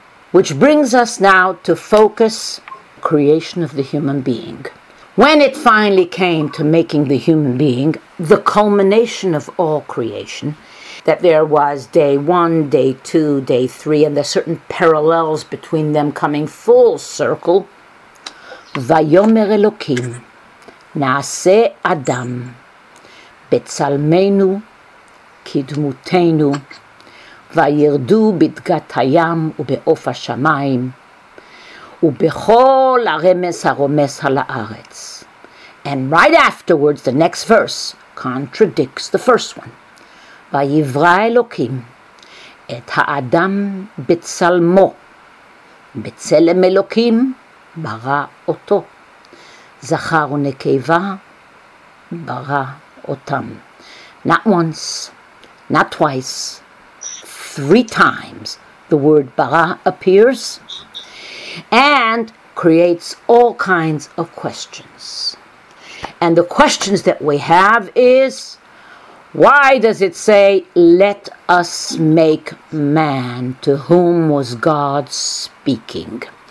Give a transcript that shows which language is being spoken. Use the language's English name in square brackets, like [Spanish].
[English] Which brings us now to focus creation of the human being. When it finally came to making the human being, the culmination of all creation, that there was day one, day two, day three, and there's certain parallels between them coming full circle. [Hebrew] Vayomer Elokim, Naase Adam, Betzalmenu, Kidmutenu, וירדו בדגת הים ובעוף השמיים ובכל הרמס הרומס על הארץ. And right afterwards, the next verse contradicts the first one. ויברא אלוקים את האדם בצלמו, בצלם אלוקים ברא אותו, זכר ונקבה ברא otam. [English] Not once, not twice, three times the word bara appears and creates all kinds of questions. And the questions that we have is, why does it say, let us make man, to whom was God speaking?